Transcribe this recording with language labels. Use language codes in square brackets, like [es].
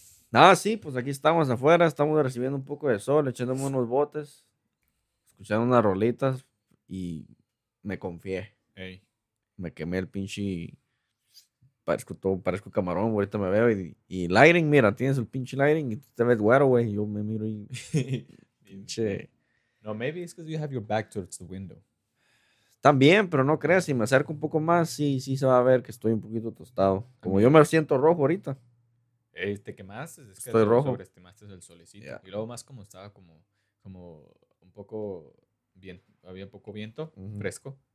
[es] Nada, sí, pues aquí estamos afuera, estamos recibiendo un poco de sol, echándome unos botes, escuchando unas rolitas y me confié. Ey. Me quemé el pinche. Parezco camarón, ahorita me veo y lighting, mira, tienes el pinche lighting y te ves güero, güey. Yo me miro y. Pinche. [en] No, maybe it's because you have your back towards the window. [es] También, pero no creas, si me acerco un poco más, sí se va a ver que estoy un poquito tostado. Como yo me siento rojo ahorita. ¿Te quemaste? Es que estoy rojo. Sobreestimaste el solecito. Yeah. Y luego más como estaba como un poco bien, había poco viento, uh-huh, fresco.